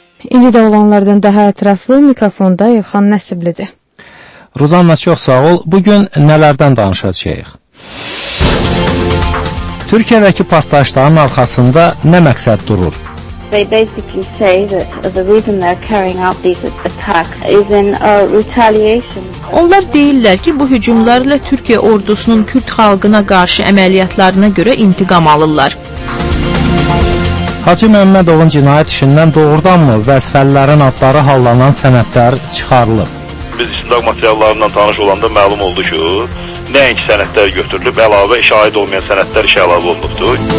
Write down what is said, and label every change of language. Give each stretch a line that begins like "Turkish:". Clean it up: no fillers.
Azerbaijani: İndi də olanlardan daha ətraflı mikrofonda İlxan Nəsiblidir. Ruzanna, çox sağ ol. Bugün nələrdən danışacağıq? Türkiyədəki partlayışların arxasında nə məqsəd durur?
English: They basically say that the reason they're carrying out these attacks is in a retaliation.
Azerbaijani: Onlar deyirlər ki, bu hücumlarla Türkiyə ordusunun Kürt xalqına qarşı əməliyyatlarına görə intiqam alırlar. Hacı Məmmədovun cinayət işindən doğrudanmı vəzifəlilərin adları hallanan sənədlər çıxarılıb? Biz istintaq materiallarından tanış olanda məlum oldu ki, nəinki sənədlər götürülüb, əlavə şahid olmayan sənədlər işə əlavə olunubdur.